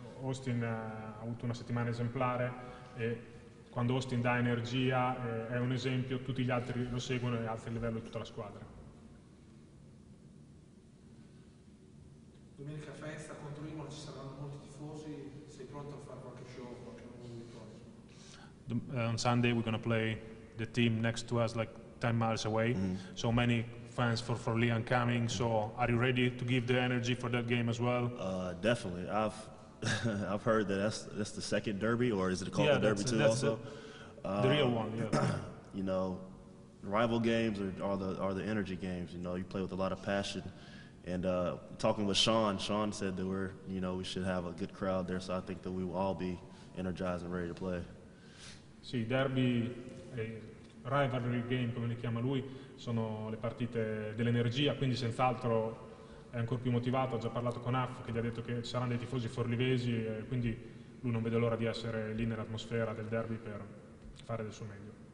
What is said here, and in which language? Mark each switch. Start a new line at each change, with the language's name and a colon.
Italian: Austin ha avuto una settimana esemplare, e quando Austin dà energia è un esempio, tutti gli altri lo seguono e alza il livello di tutta la squadra. Domenica festa contro Imola, ci saranno molti tifosi. Sei pronto a fare qualche show, qualche
English: movie? On Sunday we're going to play the team next to us, like 10 miles away. Mm-hmm. So many fans for Forli coming. So are you ready to give the energy for that game as well? Definitely. I've heard that that's the second derby, or is it called the derby too? Also, the real one. Yeah. You know, rival games are the energy games. You know, you play with a lot of passion. And talking with Sean said that we should have a good crowd there. So I think that we will all be energized and ready to play.
Italian: Sì, derby,
English: rivalry game,
Italian: come li chiama lui, sono le partite dell'energia, quindi senz'altro è ancora più motivato. Ha già parlato con Aff, che gli ha detto che ci saranno dei tifosi forlivesi, e quindi lui non vede l'ora di essere lì nell'atmosfera del derby per fare del suo meglio.